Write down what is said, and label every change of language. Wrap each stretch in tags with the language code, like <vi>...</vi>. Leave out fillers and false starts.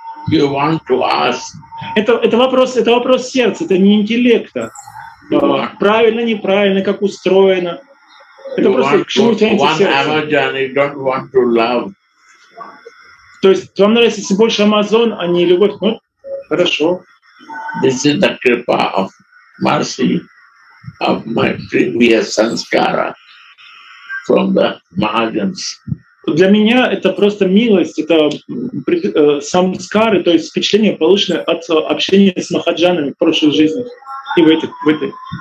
<en>You want to ask.</en> <ru>Это вопрос сердца, это не интеллекта. Правильно, неправильно, как устроено. Это</ru> <en>you</en> <ru>просто к чему тянется. То есть вам нравится, если больше Амазон, а не любовь. Ну, хорошо.</ru> <en>This is the kripa of mercy of my previous sanskara. From the margins.</en> <ru>Для меня это просто милость, это самскары, то есть впечатление, полученное от общения с махаджанами в прошлых жизнях и в этой.</ru>